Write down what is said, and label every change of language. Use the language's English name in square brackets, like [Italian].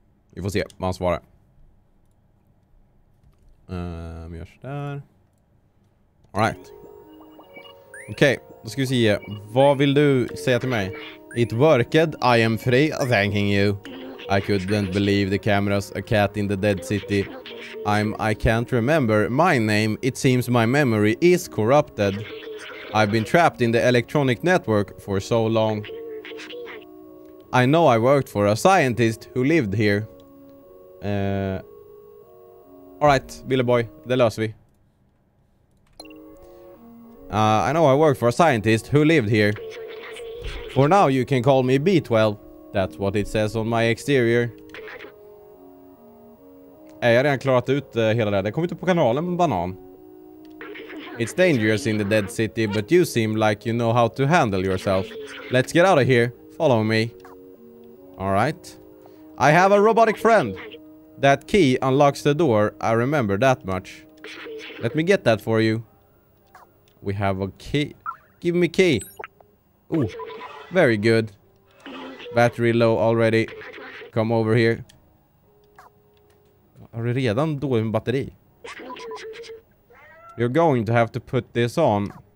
[Swedish] Vi får se vad han svarar. Vi gör sådär. [English] All right. [Swedish] Okej, okay, då ska vi se. Vad vill du säga till mig? [English] It worked, I am free, thanking you. I couldn't believe the cameras, a cat in the dead city. I can't remember my name, it seems my memory is corrupted. I've been trapped in the electronic network for so long. I know I worked for a scientist who lived here. [Swedish] Alright, Billboy, det löser vi. [English] I know I worked for a scientist who lived here. For now you can call me B12. That's what it says on my exterior. [Swedish] Jag har redan klarat ut hela det. Det kommer inte på kanalen, banan. [English] It's dangerous in the dead city, but you seem like you know how to handle yourself. Let's get out of here. Follow me. All right. I have a robotic friend. That key unlocks the door. I remember that much. Let me get that for you. We have a key. Give me key. Ooh. Very good. Battery low already. Come over here. [Swedish] Har du redan dålig med batteri? [English] You're going to have to put this on.